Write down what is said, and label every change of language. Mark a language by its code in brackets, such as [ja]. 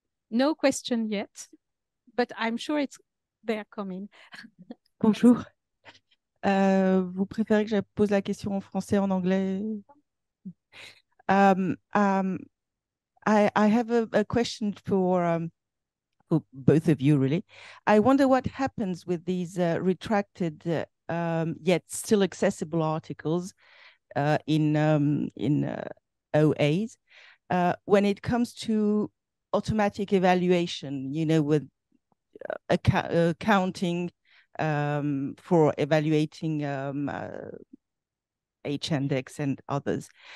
[en] No question yet, but I'm sure it's they're coming. [fr] Bonjour. Vous préférez que je pose la question en français, en anglais? [en] I have a question for both of you, really. I wonder what happens with these retracted yet still accessible articles in OAs when it comes to automatic evaluation, you know, with accounting for evaluating H-index and others.